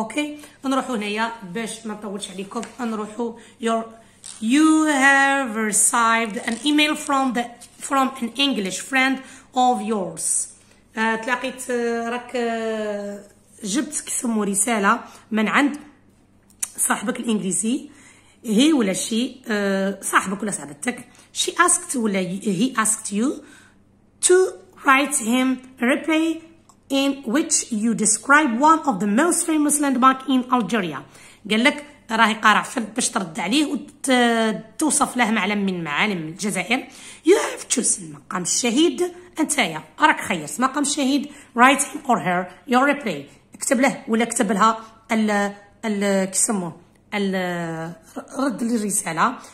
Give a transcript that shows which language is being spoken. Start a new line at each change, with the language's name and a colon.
Arabic: اوكي نروحو هنايا باش ما نطولش عليكم نروحو
English: you have received an email from an English friend of yours.
Arabic: تلاقيت راك جبت كسمو رساله من عند صاحبك الانجليزي هي ولا شي صاحبك ولا صاحبتك.
English: She asked
Arabic: ولا
English: he asked you to write him a reply in which you describe one of the most famous landmark in Algeria.
Arabic: قال لك راهي قارع فل باش ترد عليه وتوصف له معلم من معالم الجزائر.
English: You have chosen مقام الشهيد
Arabic: انتايا راك خيرت مقام الشهيد
English: write him or her your reply.
Arabic: اكتب له ولا اكتب لها ال كيسمو ال رد للرساله.